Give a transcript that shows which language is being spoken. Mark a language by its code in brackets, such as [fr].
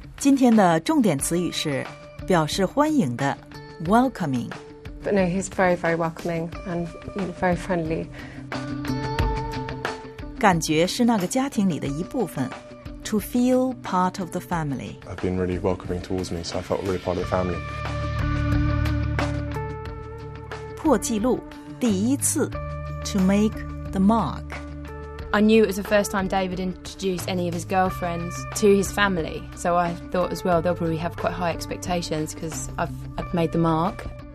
[zh] 今天的重点词语是表示欢迎的 welcoming. [en] But no, he's very, very welcoming and you know, very friendly. [zh] 感觉是那个家庭里的一部分。 [en] to feel part of the family. I've been really welcoming towards me, so I felt really part of the family. [zh] 破纪录，第一次， [en] to make the mark. I knew it was the first time David introduced any of his girlfriends to his family, so I thought as well they'll probably have quite high expectations because I've made the mark.